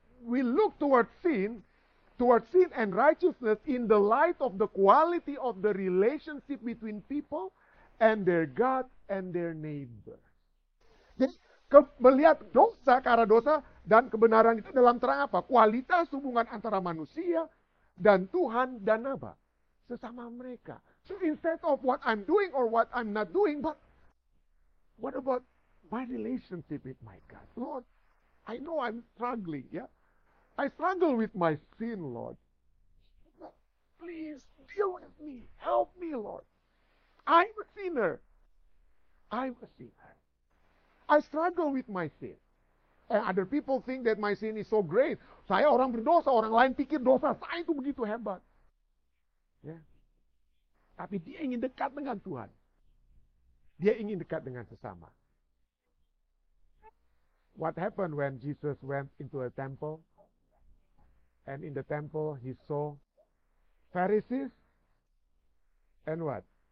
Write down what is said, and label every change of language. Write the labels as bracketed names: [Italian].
[English] We look towards sin and righteousness in the light of the quality of the relationship between people and their God and their neighbor. [Indonesian] Jadi, melihat dosa, karena dosa dan kebenaran itu dalam terang apa? Kualitas hubungan antara manusia dan Tuhan dan apa? Sesama mereka. [English] So instead of what I'm doing or what I'm not doing, but what about my relationship with my God? Lord, I know I'm struggling, yeah? I struggle with my sin, Lord. Please deal with me. Help me, Lord. I'm a sinner. I struggle with my sin. And other people think that my sin is so great. [Indonesian] Saya orang berdosa, orang lain pikir dosa saya itu begitu hebat. Yeah. Tapi dia ingin dekat dengan Tuhan. Dia ingin dekat dengan sesama. [English] What happened when Jesus went into a temple? And in the temple, he saw Pharisees and what?